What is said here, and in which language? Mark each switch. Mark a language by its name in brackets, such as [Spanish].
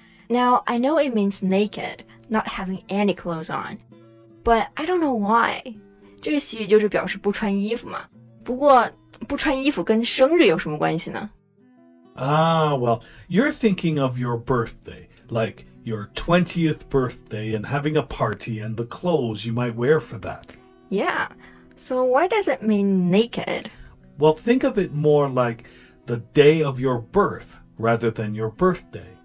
[English] Now, I know it means naked, not having any clothes on. But I don't know why. [Chinese] 这个习语就是表示不穿衣服嘛。不过不穿衣服跟生日有什么关系呢? [English] Ah, well, you're thinking of your birthday, like... your 20th birthday and having a party and the clothes you might wear for that. Yeah, so why does it mean naked? Well, think of it more like the day of your birth rather than your birthday.